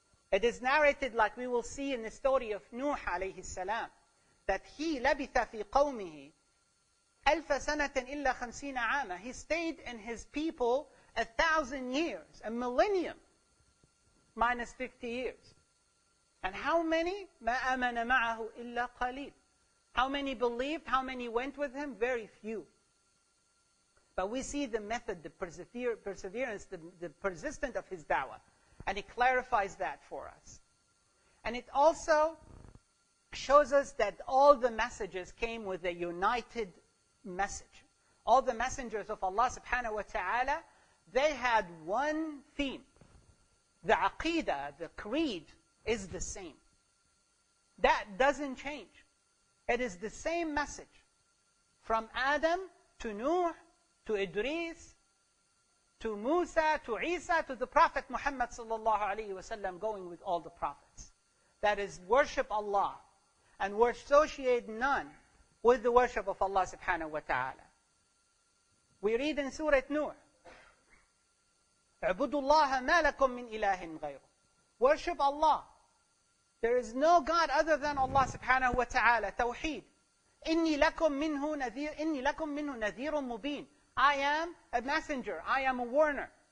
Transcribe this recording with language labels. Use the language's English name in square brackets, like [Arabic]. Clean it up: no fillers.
[English] It is narrated, like we will see in the story of Nuh alayhi salam, that he [Arabic] لبث في قومه ألف سنة إلا خمسين عاما. [English] He stayed in his people 1,000 years, a millennium, minus 50 years. And how many [Arabic] ما آمن معه إلا قليل. [English] How many believed? How many went with him? Very few. But we see the method, the perseverance, the persistence of his da'wah. And it clarifies that for us. And it also shows us that all the messages came with a united message. All the messengers of Allah subhanahu wa ta'ala, they had one theme. The aqidah, the creed, is the same. That doesn't change. It is the same message from Adam to Nuh to Idris to Musa to Isa to the Prophet Muhammad sallallahu alaihi wasallam, going with all the prophets. That is, worship Allah and associate none with the worship of Allah subhanahu wa ta'ala. We read in Surah Nuh, [Arabic] اعبدوا الله ما لكم من إله غيره. [English] Worship Allah. There is no God other than Allah subhanahu wa ta'ala. Tawheed. [Arabic] إِنِّي لَكُمْ مِنْهُ نَذِيرٌ مُبِينٌ. [English] I am a messenger. I am a warner.